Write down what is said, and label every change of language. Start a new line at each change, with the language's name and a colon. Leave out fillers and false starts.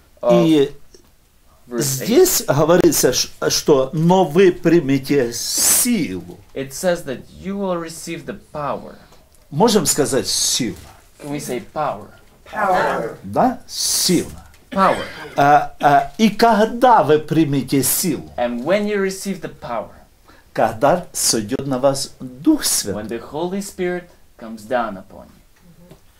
Russian: И здесь говорится, что «но вы примете силу».
English: It says that you will receive the power.
Russian: Можем сказать «силу».
English: Can we say power? Power.
Russian: Да? Сила.
English: Power.
Russian: И когда вы примете силу?
English: And when you receive the power.
Russian: Когда сойдет на вас Дух Святой?
English: When the Holy Spirit comes down upon you.